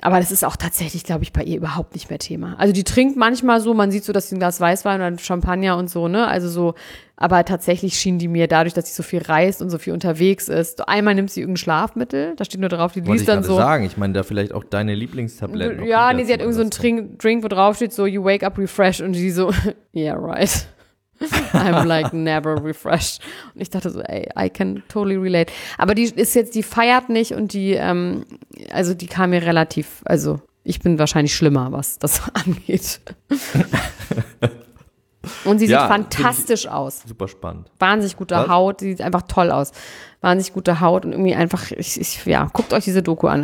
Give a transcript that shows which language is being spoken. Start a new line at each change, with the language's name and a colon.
German: Aber das ist auch tatsächlich, glaube ich, bei ihr überhaupt nicht mehr Thema. Also die trinkt manchmal so, man sieht so, dass sie ein Glas Weißwein oder Champagner und so, ne? Also so, aber tatsächlich schien die mir dadurch, dass sie so viel reist und so viel unterwegs ist. Einmal nimmt sie irgendein Schlafmittel, da steht nur drauf, die liest dann so. Wollte ich gerade sagen, ich meine da vielleicht auch deine Lieblingstabletten. Ja, nee, sie hat irgend so einen Drink, wo drauf steht so,
English: you wake up refreshed
German: und sie so,
English: yeah, right. I'm like never refreshed.
German: Und ich dachte so, ey,
English: I can totally relate.
German: Aber die ist jetzt, die feiert nicht und die, also die kam mir relativ, also ich bin wahrscheinlich schlimmer, was das angeht. Und sie sieht fantastisch aus. Super spannend. Wahnsinnig gute Haut, sie sieht einfach toll aus. Wahnsinnig gute Haut und irgendwie einfach, ich guckt euch diese Doku an.